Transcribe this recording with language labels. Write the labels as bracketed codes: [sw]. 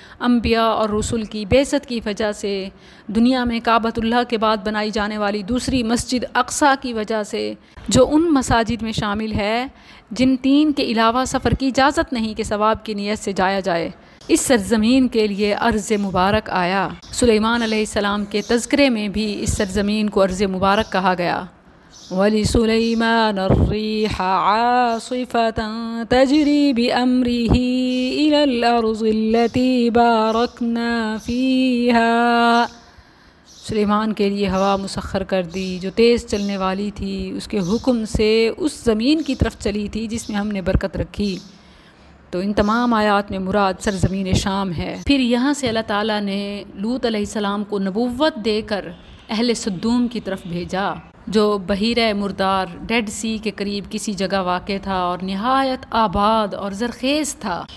[ur] انبیاء اور رسول کی بعثت کی وجہ سے، دنیا میں کعبۃ اللہ کے بعد بنائی جانے والی دوسری مسجد اقصیٰ کی وجہ سے، جو ان مساجد میں شامل ہے جن تین کے علاوہ سفر کی اجازت نہیں کہ ثواب کی نیت سے جایا جائے۔ اس سرزمین کے لیے عرض مبارک آیا۔ سلیمان علیہ السلام کے تذکرے میں بھی اس سرزمین کو عرض مبارک کہا گیا۔ [ar] ولسليمان الريح عاصفة تجري بأمره إلى الأرض التي باركنا فيها. [ur] سلیمان کے لیے ہوا مسخر کر دی جو تیز چلنے والی تھی، اس کے حکم سے اس زمین کی طرف چلی تھی جس میں ہم نے برکت رکھی. تو ان تمام آیات میں مراد سرزمین شام ہے. پھر یہاں سے اللہ تعالیٰ نے لوط علیہ السلام کو نبوت دے کر اہل سدوم کی طرف بھیجا، جو بحیرہ مردار ڈیڈ سی کے قریب کسی جگہ واقع تھا اور نہایت آباد اور زرخیز تھا.